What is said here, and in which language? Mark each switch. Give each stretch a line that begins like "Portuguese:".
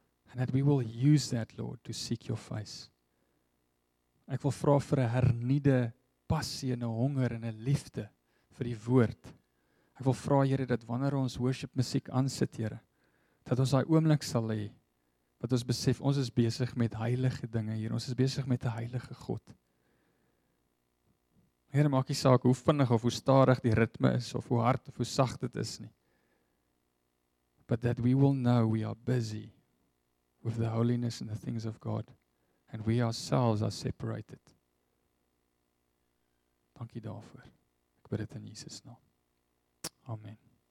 English: And that we will use that, Lord, to seek your face.
Afrikaans: Ek wil vra vir 'n herniede passie en 'n honger en 'n liefde vir die woord. Ek wil vra, Here, dat wanneer ons worship musiek aansit, Here, dat ons daai oomblik sal hê wat ons besef ons is besig met heilige dinge hier. Ons is besig met 'n heilige God. Here, maak nie saak hoe vinnig of hoe stadig die ritme is of hoe hard of hoe sag dit is nie.
English: But that we will know we are busy with the holiness and the things of God. And we ourselves are separated.
Afrikaans: Dankie daarvoor. Ek bid dit in Jesus naam. Amen.